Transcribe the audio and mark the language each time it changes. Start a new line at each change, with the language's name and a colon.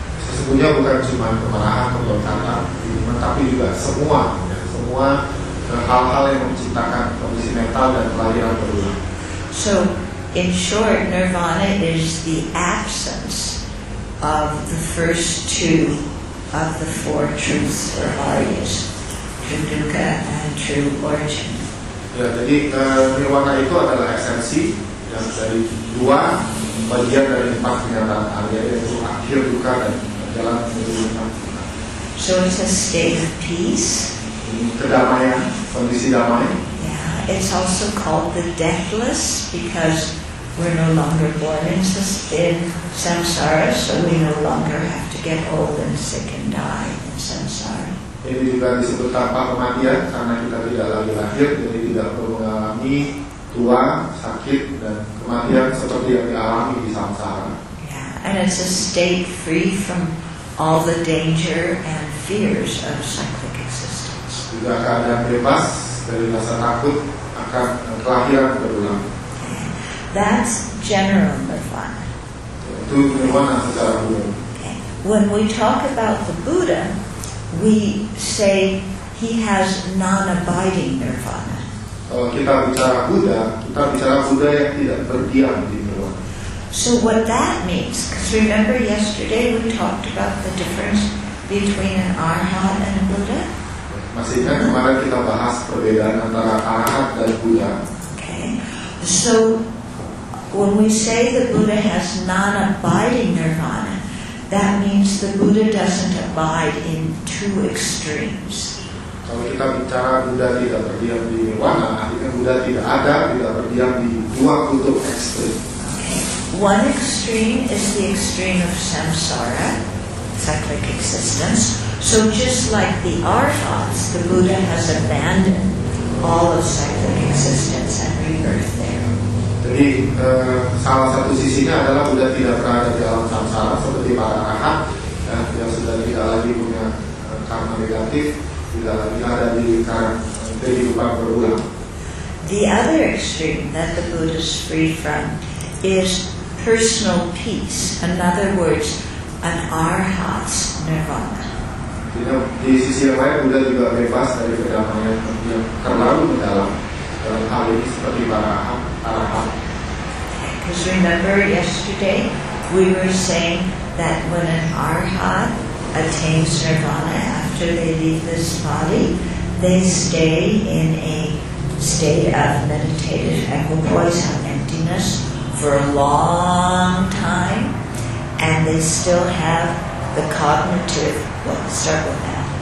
Indonesian: Sesungguhnya bukan cuma kemarahan, kebingungan, tapi juga semua, ya, semua hal-hal yang menciptakan kondisi mental dan kelahiran berulang.
English: So, in short, nirvana is the absence of the first two of the four truths or aryas, true dukkha and true origin.
Indonesian: Ya, jadi nirwana itu adalah esensi yang dari dua bagian dari empat kenyataan arya, yaitu akhir dukkha dan jalan menuju nirwana.
English: So it's a state of peace.
Indonesian: Kedamaian, kondisi damai.
English: Yeah, it's also called the deathless because we're no longer born in samsara, so we no longer have to get old and sick and die in samsara.
Indonesian: Ini juga disebut tanpa kematian karena kita tidak lagi lahir, jadi tidak perlu mengalami tua, sakit, dan kematian seperti yang dialami di samsara.
English: Yeah, and it's a state free from all the danger and fears of cyclic existence.
Indonesian: Juga keadaan bebas dari rasa takut akan kelahiran berulang.
English: That's general nirvana.
Indonesian: Itu nirvana secara umum.
English: Okay. when we talk about the Buddha, we say he has non-abiding nirvana.
Indonesian: Kita bicara Buddha, kita bicara Buddha yang tidak berdiam di nirvana.
English: So what that means, because remember yesterday we talked about the difference between an arhat and a Buddha?
Indonesian: Masih ingat kemarin kita bahas perbedaan antara arhat dan Buddha.
English: Okay. So when we say the Buddha has non-abiding nirvana, that means the Buddha doesn't abide in two extremes.
Indonesian: Kalau kita bicara Buddha tidak berdiam di nirvana, artinya Buddha tidak ada, tidak berdiam di dua kutub ekstrem.
English: One extreme is the extreme of samsara, cyclic existence. So just like the arhats, the Buddha has abandoned all of cyclic existence and rebirth there.
Indonesian: Jadi salah satu sisinya adalah Buddha tidak pernah ada di alam samsara seperti para arhat yang sudah tidak lagi punya karma negatif, tidak lagi ada di kehidupan berulang.
English: The other extreme that the Buddha is free from is personal peace, in other words, an arhat's nirvana. You know,
Indonesian: di sisi yang lain Buddha juga bebas dari kedamaian yang terlalu mendalam dalam hal ini seperti para arhat.
English: Because remember yesterday we were saying that when an arhat attains nirvana after they leave this body, they stay in a state of meditative equipoise and emptiness for a long time, and they still have the cognitive. Well, let's start with that.